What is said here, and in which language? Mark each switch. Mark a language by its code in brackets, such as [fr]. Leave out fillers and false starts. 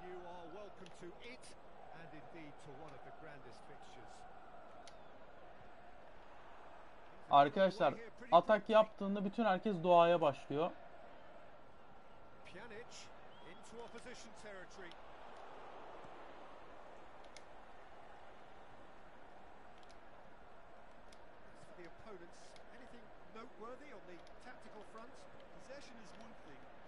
[en] You are welcome to it and indeed to one of the grandest fixtures. [tr] Arkadaşlar, atak yaptığında bütün herkes duaya başlıyor. [en] Pjanic into opposition territory. The opponents, anything noteworthy on the tactical front? Possession is one thing.